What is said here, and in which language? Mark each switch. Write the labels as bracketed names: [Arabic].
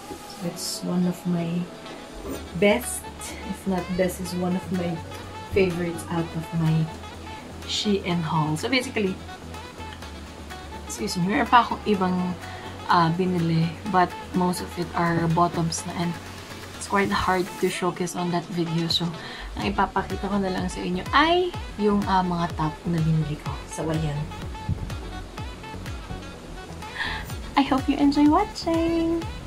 [English] So it's one of my best, if not best, is one of my favorites out of my Shein haul. So basically, excuse me, [Filipino] mayroon pa akong ibang binili, [English] but most of it are bottoms na, and quite hard to showcase on that video. [Filipino] So, ang ipapakita ko na lang sa inyo ay yung mga top na binili ko. So, ayan. [English] I hope you enjoy watching!